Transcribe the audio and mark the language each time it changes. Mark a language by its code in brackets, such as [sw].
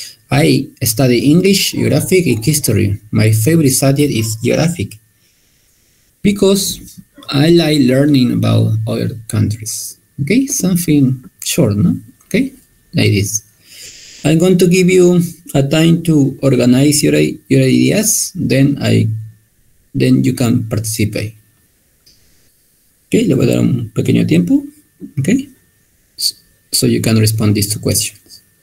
[en] I study English, geography, and history. My favorite subject is geography because I like learning about other countries. Okay, something short, no? Okay, like this. I'm going to give you a time to organize your ideas, then you can participate. [es] Okay, le voy a dar un pequeño tiempo. [en] Okay, so you can respond these two questions.